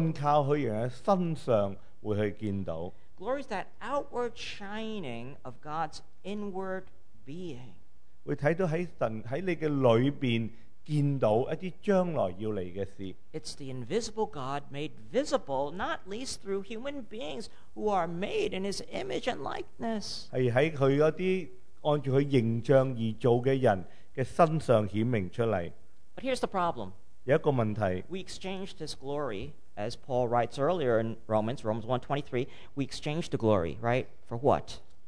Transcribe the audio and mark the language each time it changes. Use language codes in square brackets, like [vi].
[zh] 会在这个基督在他信靠他人的身上会去见到。 [en] Glory is that outward shining of God's inward being. [zh] 会看到在神在你的里面见到一些将来要来的事。 [en] It's the invisible God made visible, not least through human beings who are made in his image and likeness. [zh] 是在他那些按照他形象而造的人的身上显明出来。 [en] But here's the problem. [zh] 有一个问题。 [en] We exchanged this glory, as Paul writes earlier in Romans 1:23, we exchange the glory, right, for what?